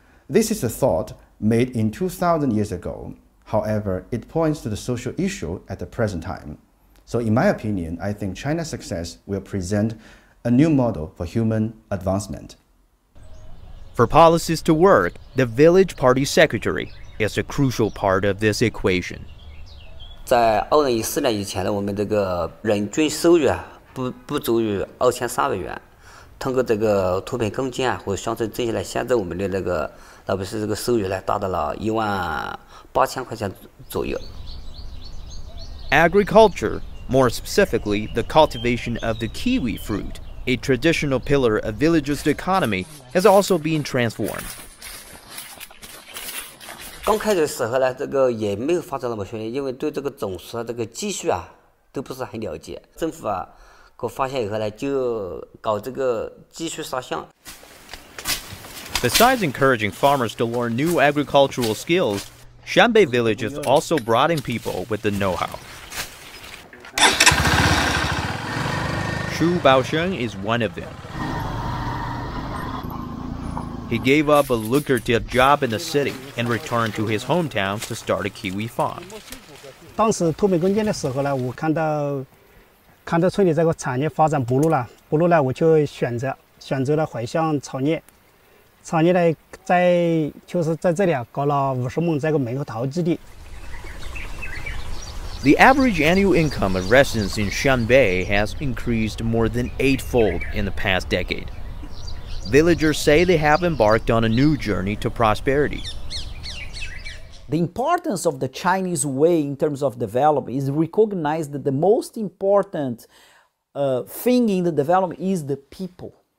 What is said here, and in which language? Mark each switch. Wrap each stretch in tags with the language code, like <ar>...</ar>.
<en>This is a thought made in 2000 years ago. However, it points to the social issue at the present time. So in my opinion, I think China's success will present a new model for human advancement. For policies to work, the village party secretary is a crucial part of this equation.</en> <zh>在2014年以前呢，我们这个人均收入啊，不足于2300元。通过这个脱贫攻坚啊，或者乡村振兴呢，现在我们的这个老百姓这个收入呢，达到了18000块钱左右。</zh> <en>Agriculture, more specifically, the cultivation of the kiwi fruit. A traditional pillar of villagers' economy has also been transformed.</en> <zh>刚开始的时候呢，这个也没有发展那么顺利，因为对这个种树啊、这个技术啊都不是很了解。政府啊，给我发现以后呢，就搞这个技术沙箱。</zh> <en>Besides encouraging farmers to learn new agricultural skills, Shanbei villages also brought in people with the know-how. Xu Baosheng is one of them. He gave up a lucrative job in the city and returned to his hometown to start a kiwi farm.</en> <zh>当时脱贫攻坚的时候呢，我看到村里这个产业发展不路了，我就选择了回乡创业。创业呢，在这里搞了50亩这个猕猴桃基地。</zh> <en>The average annual income of residents in Shanbei has increased more than eightfold in the past decade. Villagers say they have embarked on a new journey to prosperity. The importance of the Chinese way in terms of development is recognized that the most important thing in the development is the people.</en>